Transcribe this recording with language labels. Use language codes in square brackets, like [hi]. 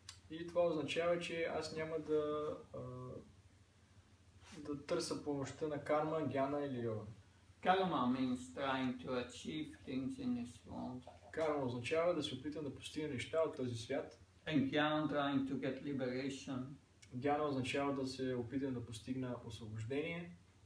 [bg] И това означава, че аз няма да да търся помощта на карма, гяна или йога. [en] Karma means trying to achieve things in this world. [bg] Карма означава да се опитам да постигна неща от този свят. [en] And gyan, trying to get liberation. [bg] Гяна означава да се опитам да постигна освобождение.